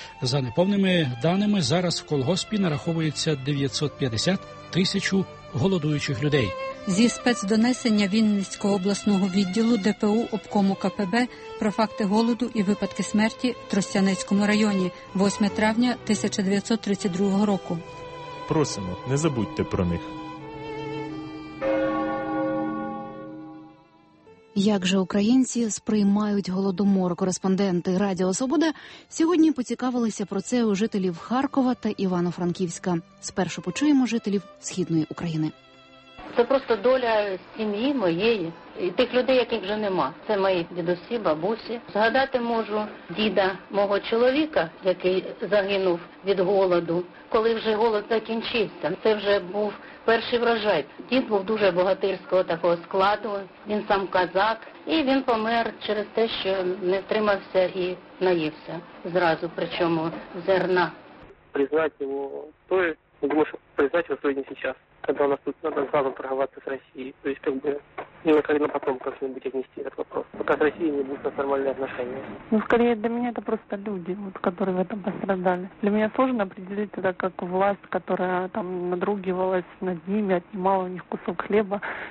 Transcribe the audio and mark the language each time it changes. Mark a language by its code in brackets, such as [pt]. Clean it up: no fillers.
[uk] За неповними даними, зараз в колгоспі нараховується 950 тисяч голодуючих людей. Зі спецдонесення Вінницького обласного відділу ДПУ обкому КПБ про факти голоду і випадки смерті в Тростянецькому районі 8 травня 1932 року. Просимо, не забудьте про них. Як же українці сприймають Голодомор? Кореспонденти Радіо Свобода сьогодні поцікавилися про це у жителів Харкова та Івано-Франківська. Спершу почуємо жителів Східної України. Це просто доля сім'ї моєї і тих людей, яких вже нема. Це мої дідусі, бабусі. Згадати можу діда мого чоловіка, який загинув від голоду, коли вже голод закінчився. Це вже був перший врожай. Дід був дуже богатирського такого складу, він сам казак. І він помер через те, що не втримався і наївся зразу, причому зерна. Признати його той, [ru] Думаю, что признать его сегодня сейчас, когда у нас тут надо сразу торговаться с Россией. То есть, как бы, немножко потом как-нибудь отнести этот вопрос, пока с Россией не будут нормальные отношения. Ну, скорее, для меня это просто люди, вот, которые в этом пострадали. Для меня сложно определить это как власть, которая там надругивалась над ними, отнимала у них кусок хлеба.